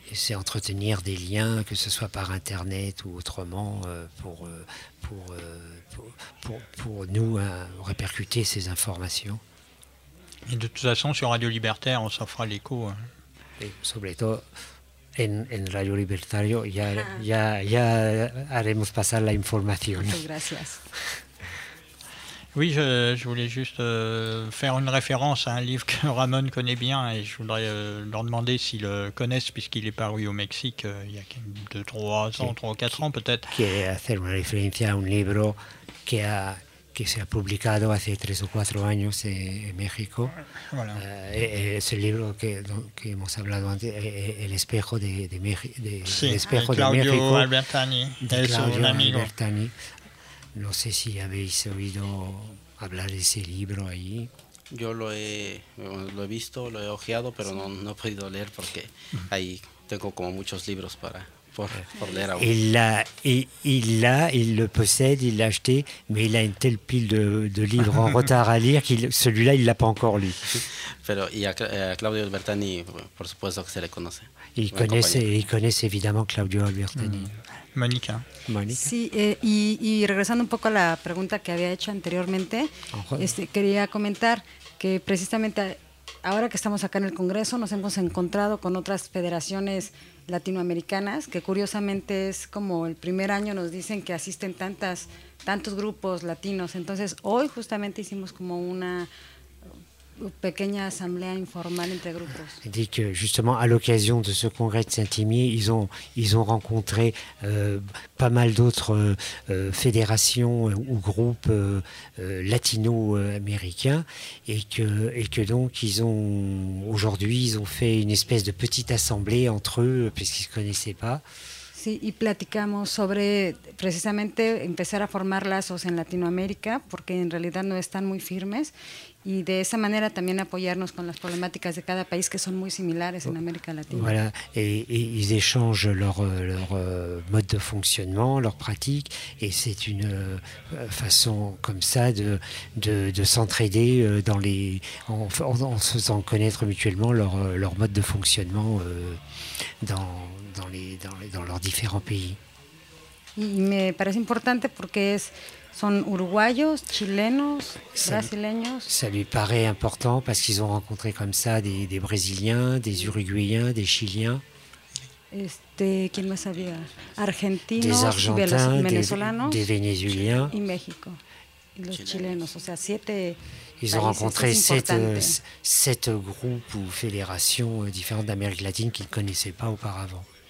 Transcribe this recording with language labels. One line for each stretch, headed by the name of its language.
French: C'est entretenir des liens, que ce soit par internet ou autrement, pour nous répercuter ces informations. Et de toute façon, sur Radio Libertaire, on s'en fera l'écho. Et surtout, en
Spanish: Radio Libertario, ya haremos pasar la información. Gracias.
French: Oui, je voulais juste faire une référence à un livre que Ramon connaît bien, et je voudrais leur demander s'ils le connaissent, puisqu'il est paru au Mexique il y a 2-3 ans, 3-4 ans peut-être. Qui est faire une référence à un livre qui a...
Spanish: que se ha publicado hace 3 o 4 años en México. Bueno. Es el libro que hemos hablado antes, El espejo de México. Sí, el espejo de Claudio México, Albertani, de Claudio un amigo. Albertani. No sé si habéis oído hablar de ese libro ahí. Yo lo he visto, lo he ojeado, pero sí. no he podido leer porque ahí tengo como muchos libros para...
French: Il le possède, il l'a acheté, mais il a une telle pile de livres en retard à lire qu'il celui-là il l'a pas encore lu.
Spanish: Pero y a Claudio Albertani, por supuesto que se le conoce.
French: Il connaît évidemment Claudio Albertani. Monica.
Spanish: Sí, y regresando un poco a la pregunta que había hecho anteriormente, quería comentar que precisamente ahora que estamos acá en el Congreso nos hemos encontrado con otras federaciones latinoamericanas, que curiosamente es como el primer año nos dicen que asisten tantos grupos latinos. Entonces, hoy justamente hicimos como una pequeña asamblea informal entre grupos.
French: Dit que justement à l'occasion de ce congrès de Saint-Imier, ils ont rencontré pas mal d'autres fédérations ou groupes latino-américains et que donc ils ont fait une espèce de petite assemblée entre eux puisqu'ils se connaissaient pas.
Spanish: Sí, y platicamos sobre precisamente empezar a formar lazos en Latinoamérica porque en realidad no están muy firmes. Y de esa manera también apoyarnos con las problemáticas de cada país que son muy similares en América Latina.
French: Voilà, et ils échangent leur mode de fonctionnement, leurs pratiques, et c'est une façon comme ça de s'entraider dans les en se faisant connaître mutuellement leur mode de fonctionnement dans leurs différents pays.
Spanish: Y me parece importante porque es son uruguayos, chilenos, brasileños.
French: Ça lui paraît important parce qu'ils ont rencontré comme ça des brésiliens, des uruguayens, des chiliens.
Spanish: ¿Quién más había? Argentinos, venezolanos,
French: des vénézuéliens.
Spanish: Y México. Y los chilenos, o sea, 7.
French: Ils ont rencontré 7 groupes ou fédérations différentes d'Amérique latine qu'ils ne connaissaient pas auparavant.